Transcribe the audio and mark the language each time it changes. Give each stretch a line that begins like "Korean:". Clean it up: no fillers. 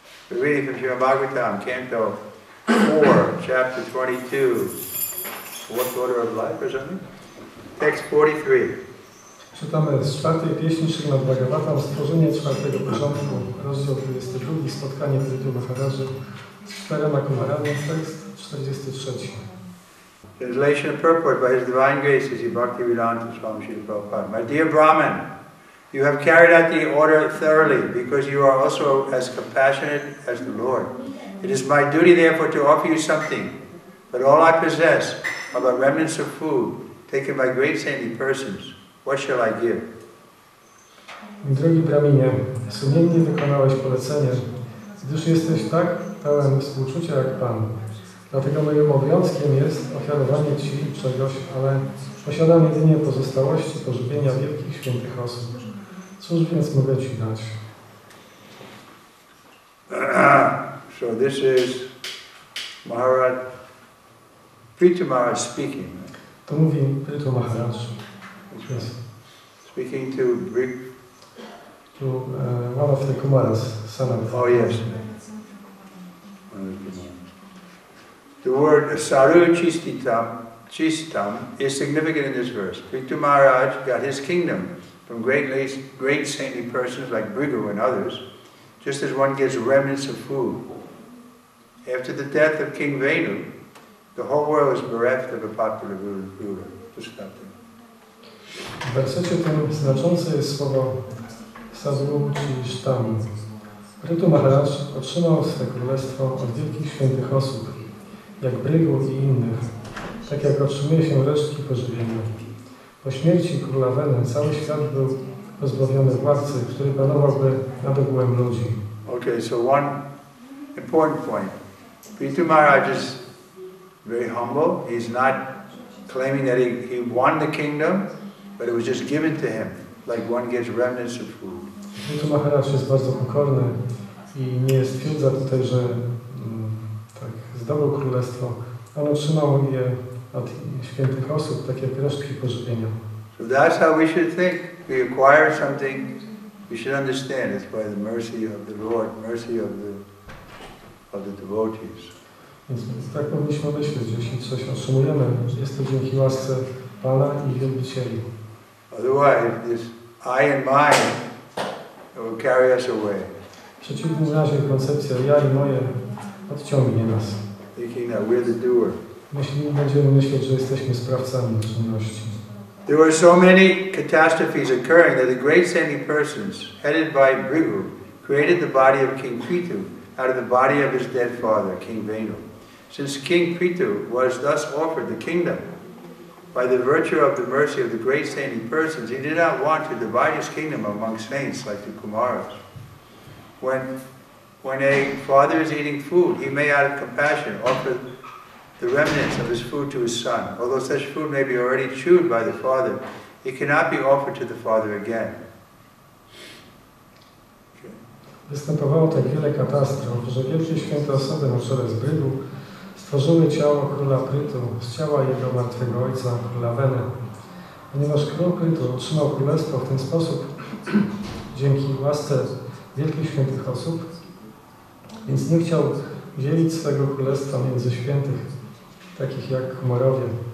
English: We read from Srimad Bhagavatam, Canto 4, Chapter 22, Fourth Order of Life or something? Text 43.
Polish: Czytamy z czwartej pieśni Srimad Bhagavatam, stworzenie czwartego porządku, rozdział 22, spotkanie w Rytu Maharaży z czterema kumarami, tekst 43.
English: Translation of purport by His Divine Grace, Sri Bhaktivedanta Swami Srila Prabhupada. My dear Brahman, you have carried out the order thoroughly because you are also as compassionate as the Lord. It is my duty, therefore, to offer you something. But all I possess are but remnants of food taken by great saintly persons. What shall I give?
Polish: Drogi Brahminie, sumiennie wykonałeś polecenie, gdyż jesteś tak pełen współczucia jak Pan. Dlatego moim obowiązkiem jest ofiarowanie Ci czegoś, ale posiadam jedynie pozostałości pożywienia wielkich świętych osób. Cóż więc mogę Ci dać?
English: So this is Maharaj, Prithu Maharaj speaking.
Polish: To mówi Prithu Maharaj.
English: Yes. Speaking to Brik. To one of the Kumaras, son of. Oh, yes. The word Saru Chistitam, Chistam is significant in this verse. Prithu Maharaj got his kingdom from great saintly persons like Bhrigu and others, just as one gets remnants of food. After the death of King Venu, the whole world was bereft of a popular ruler. Just got there.
Polish: W wersecie tym znaczące jest słowo Saru Chistam. Prithu Maharaj otrzymał swe królestwo od wielkich świętych osób, jak Bhrigu i innych, tak jak otrzymuje się resztki pożywienia. Po śmierci króla Venu cały świat był pozbawiony władcy, który panowałby nad ogółem ludzi.
English: Okay, so one important point. Prithu Maharaj is very humble. He's not claiming that he won the kingdom, but it was just given to him, like one gets remnants of food.
Polish: Prithu Maharaj jest bardzo pokorny i nie stwierdza tutaj, że tak zdobył królestwo. On otrzymał je od świętych osób, takie resztki pożywienia.
English: So that's how we should think. We acquire something, we should understand it's by the mercy of the Lord, mercy of the devotees.
Polish: Więc tak powinniśmy myśleć, że jeśli coś otrzymujemy, jest to dzięki łasce Pana i wielbicieli.
English: Otherwise, this I and mine will carry us away.
Polish: W przeciwnym razie koncepcja ja i moje odciągnie nas.
English: Thinking that we're the doer.
Polish: Jeśli będziemy myśleć, że jesteśmy sprawcami czynności.
English: There were so many catastrophes occurring that the great saintly persons, headed by Bhrigu, created the body of King Prithu out of the body of his dead father, King Venu. Since King Prithu was thus offered the kingdom by the virtue of the mercy of the great saintly persons, he did not want to divide his kingdom among saints like the Kumaras. When a father is eating food, he may out of compassion offer the remnants of his food to his son. Although such food may be already chewed by the father, it cannot be offered to the father again.
Polish: Występowało tak wiele katastrof, że wielkie święte osoby na czele z Bhrigu stworzyły ciało króla Prithu z ciała jego martwego ojca, króla Venu. Ponieważ król Prithu otrzymał królestwo w ten sposób dzięki łasce wielkich świętych osób, więc nie chciał dzielić swego królestwa między świętych, takich jak Kumarowie.